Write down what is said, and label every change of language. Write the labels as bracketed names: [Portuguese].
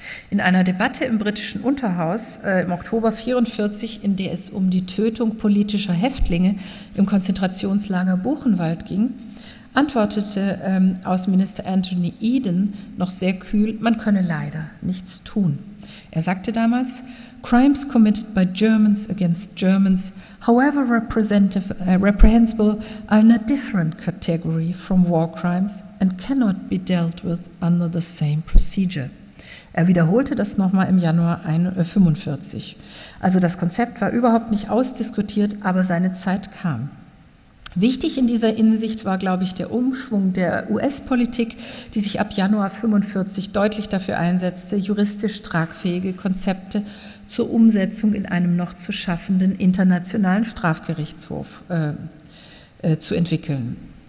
[German] In einer Debatte im britischen Unterhaus im Oktober 1944, in der es um die Tötung politischer Häftlinge im Konzentrationslager Buchenwald ging, antwortete Außenminister Anthony Eden noch sehr kühl, man könne leider nichts tun. Er sagte damals, [English] crimes committed by Germans against Germans, however reprehensible, are in a different category from war crimes and cannot be dealt with under the same procedure. [German] Er wiederholte das nochmal im Januar 1945. Also das Konzept war überhaupt nicht ausdiskutiert, aber seine Zeit kam. Wichtig in dieser Hinsicht war, glaube ich, der Umschwung der US-Politik, die sich ab Januar 1945 deutlich dafür einsetzte, juristisch tragfähige Konzepte zur Umsetzung in einem noch zu schaffenden internationalen Strafgerichtshof zu entwickeln.